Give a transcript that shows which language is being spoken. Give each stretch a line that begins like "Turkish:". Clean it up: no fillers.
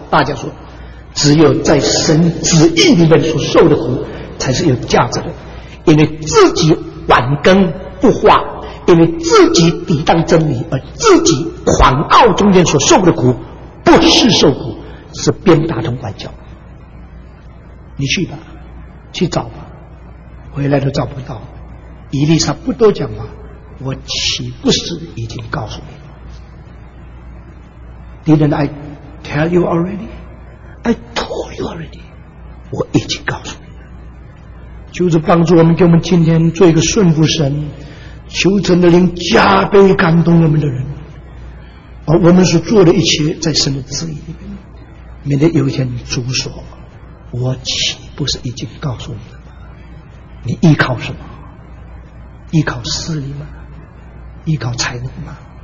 Chinese: 大家说，只有在神旨意里面所受的苦才是有价值的，因为自己晚更不化，因为自己抵挡真理而自己狂傲中间所受的苦，不是受苦，是鞭打同管教。你去吧，去找吧，回来都找不到。伊丽莎不多讲吗？我岂不是已经告诉你了？
English: Didn't I tell you already? I told you already.
Chinese: 我已经告诉你了。求主帮助我们，给我们今天做一个顺服神，求神的灵加倍感动我们的人，而我们所做的一切在神的旨意里面，免得有一天主说，我岂不是已经告诉你了？你依靠什么？依靠势力吗？依靠才能吗？